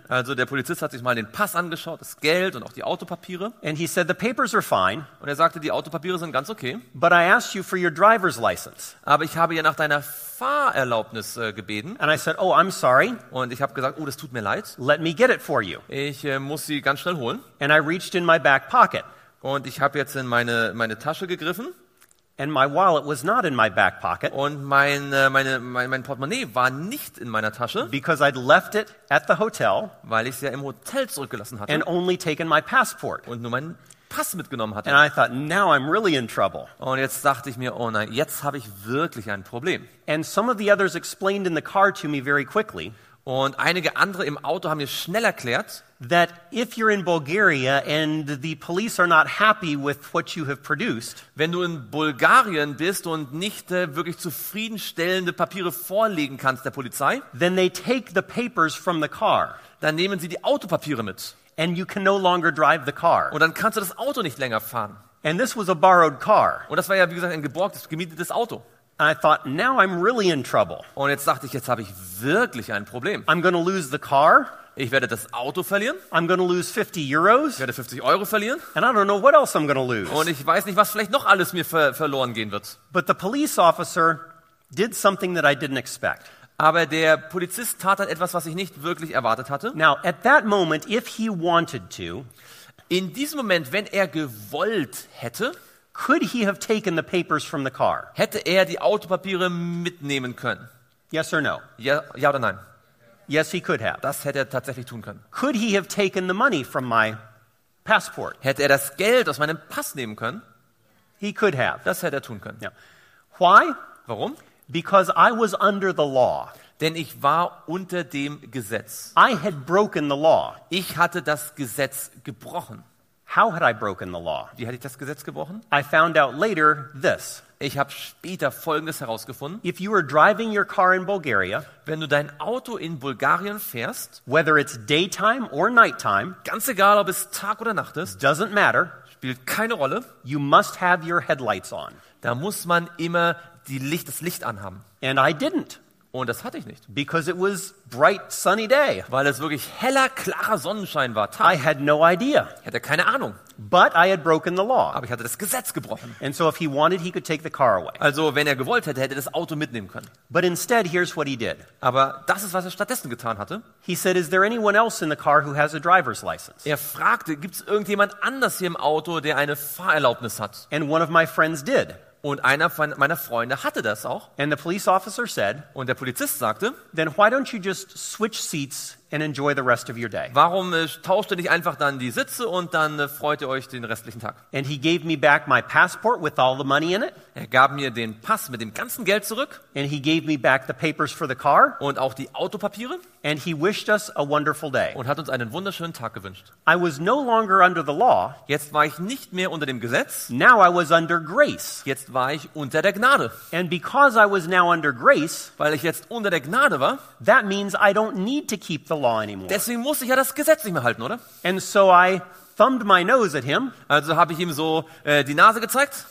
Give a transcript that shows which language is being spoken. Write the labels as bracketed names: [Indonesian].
[German] Also der Polizist hat sich mal den Pass angeschaut, das Geld und auch die Autopapiere. [English] And he said the papers are fine. [German] Und er sagte, die Autopapiere sind ganz okay. [English] But I asked you for your driver's license. [German] Aber ich habe ja nach deiner Fahrerlaubnis gebeten. [English] And I said, oh, I'm sorry. [German] Und ich habe gesagt, oh, das tut mir leid. [English] Let me get it for you. [German] Ich muss sie ganz schnell holen. [English] And I reached in my back pocket. [German] Und ich habe jetzt in meine Tasche gegriffen. [English] And my wallet was not in my back pocket. [German] Und mein Portemonnaie war nicht in meiner Tasche. [English] Because I'd left it at the hotel. [German] Weil ich es ja im Hotel zurückgelassen hatte. [English] And only taken my passport. [German] Und nur meinen Pass mitgenommen hatte. [English] And I thought, now I'm really in trouble. [German] Und jetzt dachte ich mir, oh nein, jetzt habe ich wirklich ein Problem. [English] And some of the others explained in the car to me very quickly. [German] Und einige andere im Auto haben mir schnell erklärt, [English] that if you're in Bulgaria and the police are not happy with what you have produced, [German] wenn du in Bulgarien bist und nicht wirklich zufriedenstellende Papiere vorlegen kannst der Polizei, [English] then they take the papers from the car. [German] Dann nehmen sie die Autopapiere mit. [English] And you can no longer drive the car. [German] Und dann kannst du das Auto nicht länger fahren. [English] And this was a borrowed car. [German] Und das war ja wie gesagt ein geborgtes, gemietetes Auto. [English] I thought, now I'm really in trouble. [German] Und jetzt dachte ich, jetzt habe ich wirklich ein Problem. [English] I'm going to lose the car. [German] Ich werde das Auto verlieren. [English] I'm going to lose 50 euros. [German] Ich werde 50 Euro verlieren. [English] And I don't know what else I'm going to lose. [German] Und ich weiß nicht, was vielleicht noch alles mir verloren gehen wird. [English] But the police officer did something that I didn't expect. [German] Aber der Polizist tat dann etwas, was ich nicht wirklich erwartet hatte. [English] Now, at that moment, if he wanted to, [German] in diesem Moment, wenn er gewollt hätte, [English] could he have taken the papers from the car? [German] Hätte er die Autopapiere mitnehmen können? [English] Yes or no? [German] Ja oder nein? [English] Yes, he could have. [German] Das hätte er tatsächlich tun können. [English] Could he have taken the money from my passport? [German] Hätte er das Geld aus meinem Pass nehmen können? [English] He could have. [German] Das hätte er tun können. [English] Yeah. Why? [German] Warum? [English] Because I was under the law. [German] Denn ich war unter dem Gesetz. [English] I had broken the law. [German] Ich hatte das Gesetz gebrochen. [English] How had I broken the law? [German] Wie hatte ich das Gesetz gebrochen? [English] I found out later this. [German] Ich habe später Folgendes herausgefunden. [English] If you are driving your car in Bulgaria, [German] wenn du dein Auto in Bulgarien fährst, [English] whether it's daytime or nighttime, [German] ganz egal ob es Tag oder Nacht ist, [English] doesn't matter, [German] spielt keine Rolle, [English] you must have your headlights on. [German] Da muss man immer das Licht anhaben. [English] And I didn't. [German] Und das hatte ich nicht. [English] Because it was bright sunny day. [German] Weil es wirklich heller, klarer Sonnenschein war. Tag. [English] I had no idea. [German] Ich hatte keine Ahnung. [English] But I had broken the law. [German] Aber ich hatte das Gesetz gebrochen. [English] And so if he wanted, he could take the car away. [German] Also wenn er gewollt hätte, hätte er das Auto mitnehmen können. [English] But instead, here's what he did. [German] Aber das ist, was er stattdessen getan hatte. [English] He said, is there anyone else in the car who has a driver's license? [German] Er fragte, gibt's irgendjemand anders hier im Auto, der eine Fahrerlaubnis hat? [English] And one of my friends did. [German] Und einer von meiner Freunde hatte das auch. [English] And the police officer said, [German] und der Polizist sagte, [English] then why don't you just switch seats and enjoy the rest of your day? [German] Warum tauscht ihr nicht einfach dann die Sitze und dann freut ihr euch den restlichen Tag? [English] And he gave me back my passport with all the money in it. [German] Er gab mir den Pass mit dem ganzen Geld zurück. [English] And he gave me back the papers for the car. [German] Und auch die Autopapiere. [English] And he wished us a wonderful day. [German] Und hat uns einen wunderschönen Tag gewünscht. [English] I was no longer under the law. [German] Jetzt war ich nicht mehr unter dem Gesetz. [English] Now I was under grace. [German] Jetzt war ich unter der Gnade. [English] And because I was now under grace, [German] weil ich jetzt unter der Gnade war, [English] that means I don't need to keep the law anymore. [German] Deswegen muss ich ja das Gesetz nicht mehr halten, oder? [English] And so I thumbed my nose at him. [German] Also habe ich ihm so die Nase gezeigt.